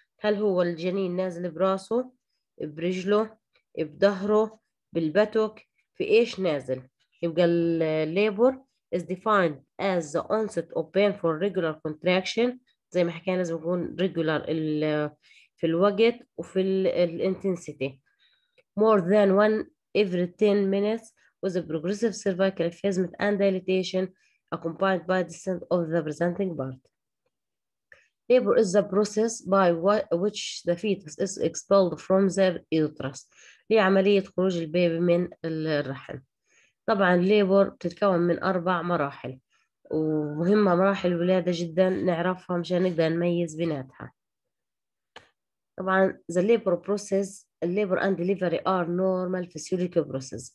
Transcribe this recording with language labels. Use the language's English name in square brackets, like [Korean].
[Arabic] هل هو الجنين نازل براسه، برجله، بظهره، بالبتوك، في ايش نازل؟ يبقى [English] الليبر is defined as the onset of pain for regular contraction. [Arabic] زي ما حكينا لازم يكون ريجولار في الوقت وفي الانتنسيتي. [English] more than one every 10 minutes with a progressive cervical effacement and dilatation accompanied by descent of the presenting part. Labor is the process by which the fetus is expelled from the uterus. [Arabic] هي عملية خروج البيبي من الرحم. طبعا labor تتكون من 4 مراحل، ومهمة مراحل الولادة جدا نعرفها مشان نقدر نميز بيناتها. طبعا [English] the labor process, labor and delivery are normal physiological process.